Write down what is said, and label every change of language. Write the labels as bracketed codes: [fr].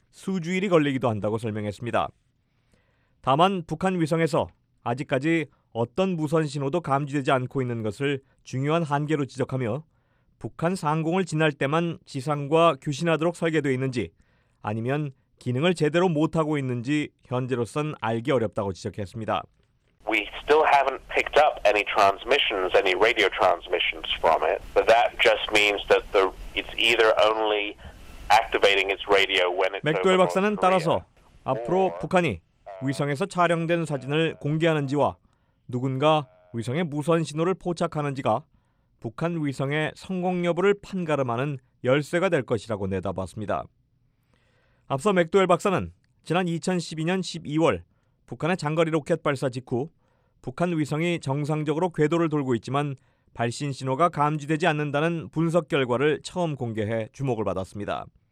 [ko] 수주일이 걸리기도 한다고 설명했습니다. 다만 북한 위성에서 아직까지 어떤 무선 신호도 감지되지 않고 있는 것을 중요한 한계로 지적하며 북한 상공을 지날 때만 지상과 교신하도록 설계되어 있는지 아니면 기능을 제대로 못하고 있는지 현재로선 알기 어렵다고 지적했습니다. [en] We still haven't picked up any transmissions, any radio transmissions from it. But that just means that it's either only activating its radio when it's [ko] 맥도웰 박사는 따라서 앞으로 북한이 위성에서 촬영된 사진을 공개하는지와 누군가 위성의 무선 신호를 포착하는지가 북한 위성의 성공 여부를 판가름하는 열쇠가 될 것이라고 내다봤습니다. 앞서 맥도웰 박사는 지난 2012년 12월 북한의 장거리 로켓 발사 직후 북한 위성이 정상적으로 궤도를 돌고 있지만 발신 신호가 감지되지 않는다는 분석 결과를 처음 공개해 주목을 받았습니다.